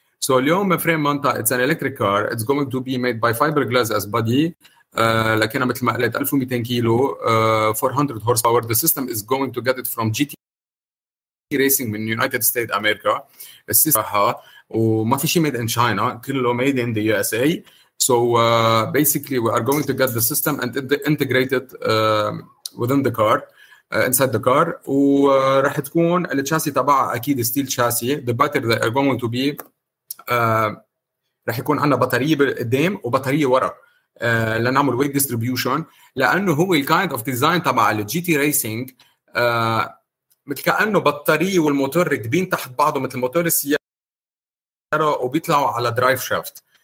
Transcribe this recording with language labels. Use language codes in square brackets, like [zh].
[ar] اليوم فريم مانتا [en] it's an electric car, it's going to be made by fiberglass as body [ar] لكنها مثل ما قلت 1200 كيلو 400 هورس باور. [en] The system is going to get it from GT Racing من United States America. [ar] السيستم راحة وما في شيء [en] made in China, [ar] كله [en] made in the USA. So basically we are going to get the system and integrate it within the car, inside the car. [ar] وراح تكون الشاسي تبع أكيد [en] steel chassis. The battery that are going to be [ar] راح يكون عندنا بطارية قدام وبطارية وراء لنعمل [en] weight distribution, [ar] لأنه هو ال [en] kind of design [ar] تبع ال GT racing مثل كأنه بطارية والموتور ركبين تحت بعضه مثل موتور السيارة وبيطلعوا على [en] drive shaft.